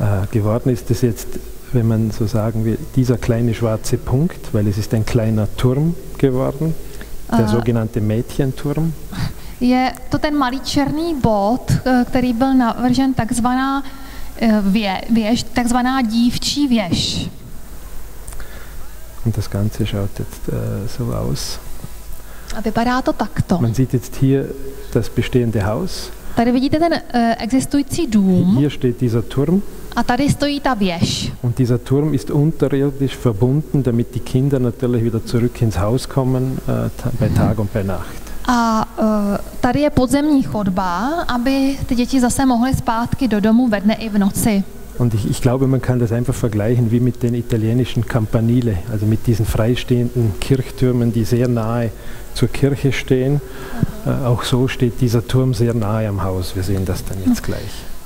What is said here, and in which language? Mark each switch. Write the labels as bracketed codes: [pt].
[de] Geworden ist es jetzt, wenn man so sagen will, dieser kleine schwarze Punkt, weil es ist ein kleiner Turm geworden, der sogenannte Mädchenturm. [cs] Je to ten malý černý bod, který byl navržen takzvaná věž, takzvaná dívčí věž. [de] Und das Ganze schaut jetzt so aus. [cs] A vypadá to takto. [de] Man sieht jetzt hier das bestehende Haus. [cs] Tady vidíte ten existující dům. [de] Hier steht dieser Turm. [cs] A tady stojí ta věž. [de] Und dieser Turm ist unterirdisch verbunden, damit die Kinder natürlich wieder zurück ins Haus kommen bei Tag und bei Nacht. [cs] A tady je podzemní chodba, aby ty děti zase mohly zpátky do domu ve dne i v noci. [de] Und ich glaube, man kann das einfach vergleichen wie mit den italienischen Campanile, also mit diesen freistehenden Kirchtürmen, die sehr nahe zur Kirche stehen. Auch so steht dieser Turm sehr nahe am Haus. Wir sehen das dann jetzt gleich.